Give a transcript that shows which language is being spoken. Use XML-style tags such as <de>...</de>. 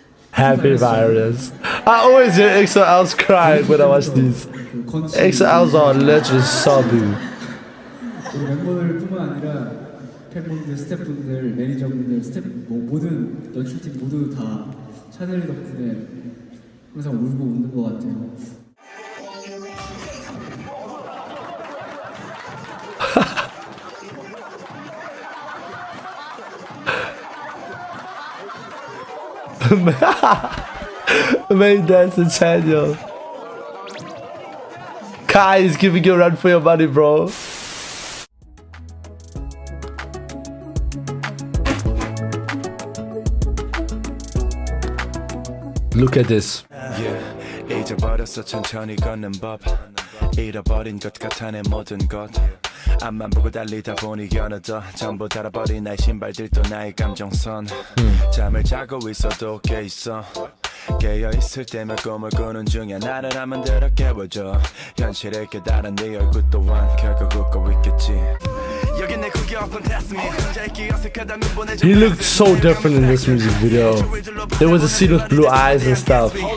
<en>Happy virus. I always hear EXO Owls cry when I watch these. EXO Owls are legends sobbing.</en> <ko>팬분들, 스태프분들, 매니저분들, 뭐 모든 연출팀 모두 다 채널 덕분에 항상 울고 웃는 것 같아요.</ko> <en>Main dancer Chanyeol. Kai is giving you a run for your money, bro. Look at this.</en> <ko>Yeah, 잊어버렸어 천천히 걷는 법. 잃어버린 것 같아 내 모든 것. 앞만 보고 달리다 보니 어느덧 전부 달아버린 나의 신발들 또 나의 감정선. 잠을 자고 있어도 깨 있어. 깨어있을 때면 꿈을 꾸는 중이야. 나를 하면 들어 깨워줘. 현실에 깨달은 네 얼굴 또한 결국 웃고 있겠지.</ko> <en>He looked so different in this music video. There was a scene with blue eyes and stuff.</en>